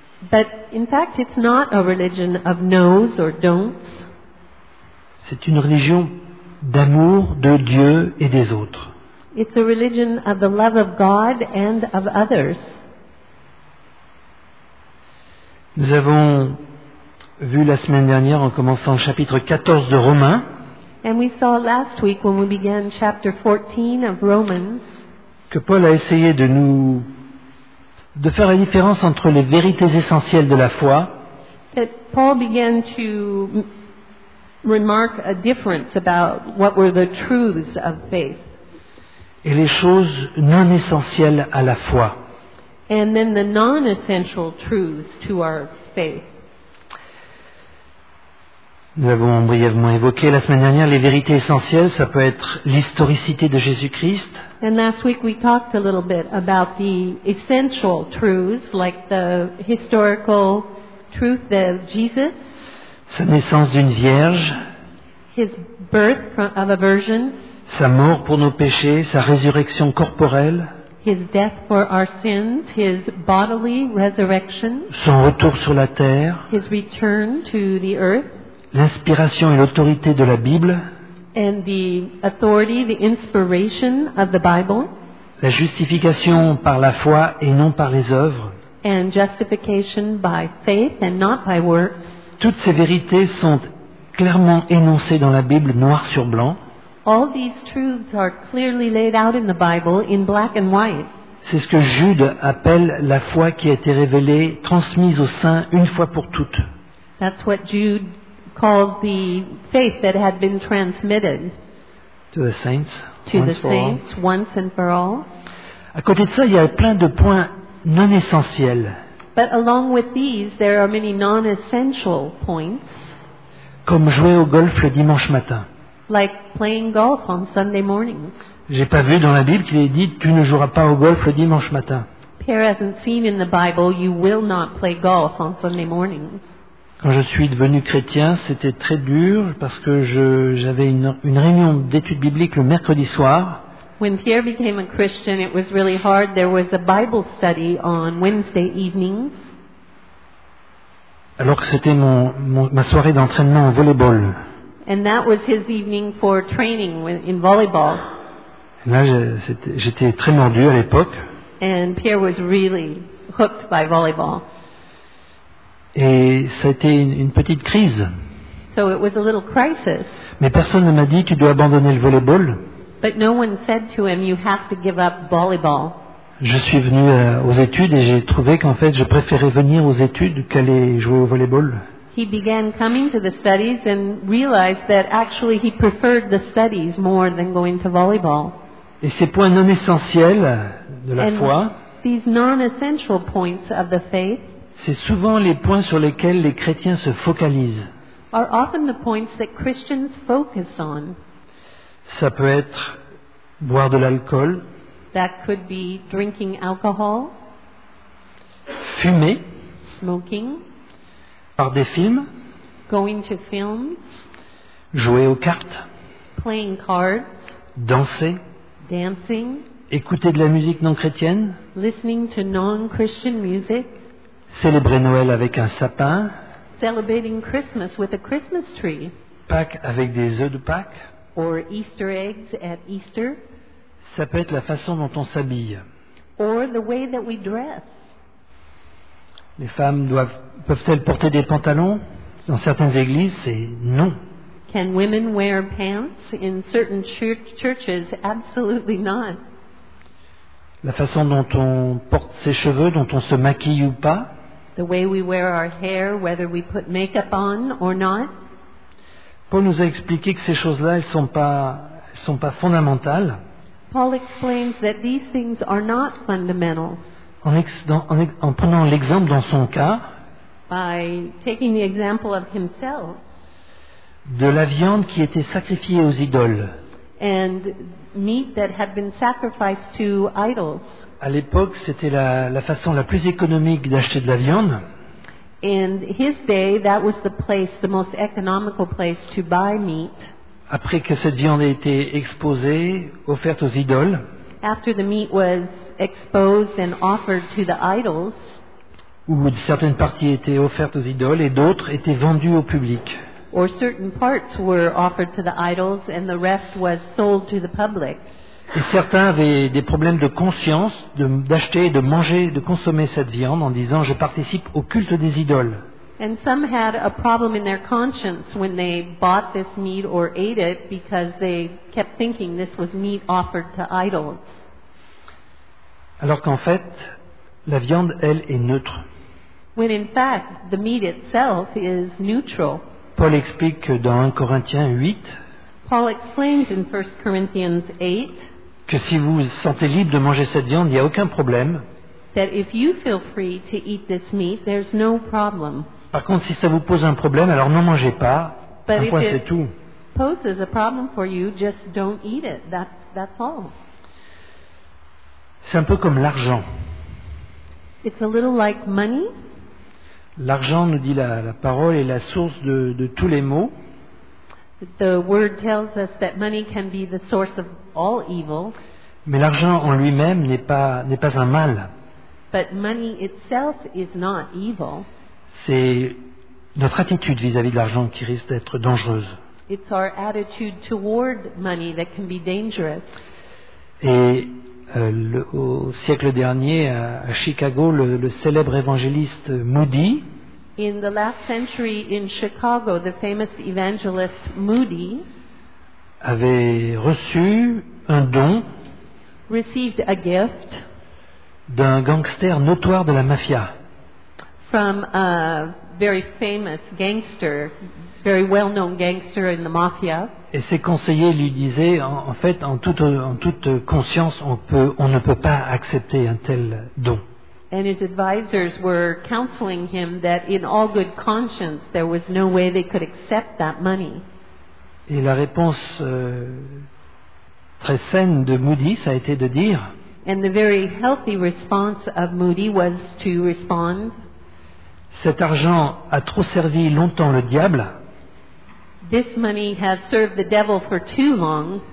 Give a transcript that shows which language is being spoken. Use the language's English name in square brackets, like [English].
[English] But in fact, it's not a religion of no's or don'ts. [French] C'est une religion d'amour de Dieu et des autres. [English] It's a religion of the love of God and of others. [French] Nous avons vu la semaine dernière en commençant le chapitre 14 de Romains. [English] And we saw last week when we began chapter 14 of Romans [French] que Paul a essayé de faire la différence entre les vérités essentielles de la foi. [English] That Paul began to remark a difference about what were the truths of faith. [French] Et les choses non essentielles à la foi. [English] And then the non-essential truths to our faith. [French] Nous avons brièvement évoqué la semaine dernière les vérités essentielles. Ça peut être l'historicité de Jésus-Christ. [English] And last week we talked a little bit about the essential truths, like the historical truth of Jesus. [French] Sa naissance d'une vierge. [English] His birth of a virgin. [French] Sa mort pour nos péchés, sa résurrection corporelle. [English] His death for our sins, his bodily resurrection. [French] Son retour sur la terre. [English] His return to the earth. [French] L'inspiration et l'autorité de la Bible. [English] And the authority, the inspiration of the Bible. [French] La justification par la foi et non par les œuvres. [English] And justification by faith and not by works. [French] Toutes ces vérités sont clairement énoncées dans la Bible, noir sur blanc. [English] All these truths are clearly laid out in the Bible in black and white. [French] C'est ce que Jude appelle la foi qui a été révélée, transmise aux saints une fois pour toutes. [English] That's what Jude calls the faith that had been transmitted to the saints, to the saints once and for all. [French] À côté de ça, il y a plein de points non essentiels. [English] But along with these, there are many non-essential points. [French] Comme jouer au golf le dimanche matin. [English] Like playing golf on Sunday mornings. [French] J'ai pas vu dans la Bible qu'il est dit tu ne joueras pas au golf le dimanche matin. [English] Pierre hasn't seen in the Bible you will not play golf on Sunday mornings. [French] Quand je suis devenu chrétien, c'était très dur parce que j'avais une réunion d'études bibliques le mercredi soir. [English] When Pierre became a Christian, it was really hard. There was a Bible study on Wednesday evenings. [French] Alors que c'était ma soirée d'entraînement au volleyball. [English] And that was his evening for training in volleyball. [French] Là, j'étais très mordu à l'époque. [English] And Pierre was really hooked by volleyball. [French] Et ça a été une petite crise. [English] So it was a little crisis. [French] Mais personne ne m'a dit tu dois abandonner le volleyball. [English] But no one said to him you have to give up volleyball. [French] Je suis venu aux études et j'ai trouvé qu'en fait je préférais venir aux études qu'aller jouer au volleyball. [English] He began coming to the studies and realized that actually he preferred the studies more than going to volleyball. [French] Et ces points non essentiels de la foi. [English] These non-essential points of the faith. [French] C'est souvent les points sur lesquels les chrétiens se focalisent. [English] Are often the points that Christians focus on. [French] Ça peut être boire de l'alcool. [English] That could be drinking alcohol. [French] Fumer. [English] Smoking. [French] Par des films. [English] Going to films. [French] Jouer aux cartes. [English] Playing cards. [French] Danser. [English] Dancing. [French] Écouter de la musique non chrétienne. [English] Listening to non-Christian music. [French] Célébrer Noël avec un sapin. [English] Celebrating Christmas with a Christmas tree. [French] Pâques avec des œufs de Pâques. [English] Or Easter eggs at Easter. [French] Ça peut être la façon dont on s'habille. [English] Or the way that we dress. [French] Les femmes peuvent-elles porter des pantalons? Dans certaines églises, c'est non. [English] Can women wear pants in certain churches? Absolutely not. [French] La façon dont on porte ses cheveux, dont on se maquille ou pas. [English] The way we wear our hair, whether we put makeup on or not. [French] Paul nous a expliqué que ces choses-là, elles sont pas fondamentales. [English] Paul explains that these things are not fundamental. [French] En prenant l'exemple dans son cas. [English] By taking the example of himself. [French] De la viande qui était sacrifiée aux idoles. [English] And meat that had been sacrificed to idols. [French] À l'époque, c'était la façon la plus économique d'acheter de la viande. [English] In his day, that was the place, the most economical place to buy meat. [French] Après que cette viande ait été exposée, offerte aux idoles. [English] After the meat was exposed and offered to the idols. [French] Où certaines parties étaient offertes aux idoles et d'autres étaient vendues au public. [English] Or certain parts were offered to the idols and the rest was sold to the public. [French] Et certains avaient des problèmes de conscience d'acheter, de manger, de consommer cette viande en disant je participe au culte des idoles. [English] And some had a problem in their conscience when they bought this meat or ate it because they kept thinking this was meat offered to idols. [French] Alors qu'en fait, la viande, elle, est neutre. [English] When in fact, the meat itself is neutral. [French] Paul explique que dans 1 Corinthiens 8, [English] Paul explains in 1 Corinthians 8 [French] que si vous vous sentez libre de manger cette viande, il n'y a aucun problème. [English] That if you feel free to eat this meat, there's no problem. [French] Par contre, si ça vous pose un problème, alors n'en mangez pas. [English] But [French] un point, c'est tout. [English] Poses a problem for you, just don't eat it. That's all. [French] C'est un peu comme l'argent. [English] It's a little like money. [French] L'argent, nous dit la parole, est la source de tous les maux. [English] The word tells us that money can be the source of all evil. [French] Mais l'argent en lui-même n'est pas un mal. [English] But money itself is not evil. [French] C'est notre attitude vis-à-vis de l'argent qui risque d'être dangereuse. [English] It's our attitude toward money that can be dangerous. [French] Et au siècle dernier, à Chicago, le célèbre évangéliste Moody. [English] In the last century in Chicago, the famous evangelist Moody [French] avait reçu un don. [English] Received a gift. [French] D'un gangster notoire de la mafia. [English] From a very famous gangster, very well-known gangster in the mafia. [French] Et ses conseillers lui disaient, en fait, en toute conscience, on ne peut pas accepter un tel don. [English] And his advisors were counseling him that in all good conscience, there was no way they could accept that money. [French] Et la réponse très saine de Moody, ça a été de dire. [English] And the very healthy response of Moody was to respond. [French] Cet argent a trop servi longtemps le diable. [English] This money has served the devil for too long.